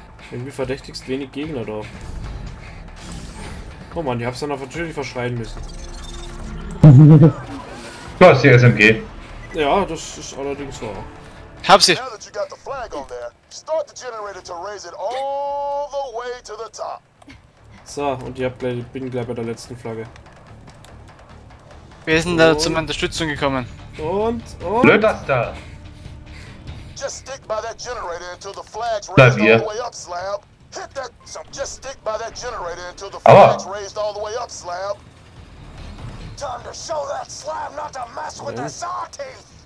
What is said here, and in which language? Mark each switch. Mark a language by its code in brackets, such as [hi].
[de] Irgendwie verdächtigst wenig Gegner da. Oh man, ich hab's dann natürlich verschreien müssen. Du hast die SMG. Ja, das ist allerdings wahr. Hab sie! [en] Now that you got the flag on there, start the generator to raise it all the way to the top. [de] So, und bin gleich bei der letzten Flagge. Wir sind da zu meiner Unterstützung gekommen. Und? Blöd das da! [en] Just stick by that generator until the flag's raised all the way up, Slab. Hit that. So just stick by that generator until the flag's raised all the way up, Slab. Time to show that Slab not to mess with the saw teeth.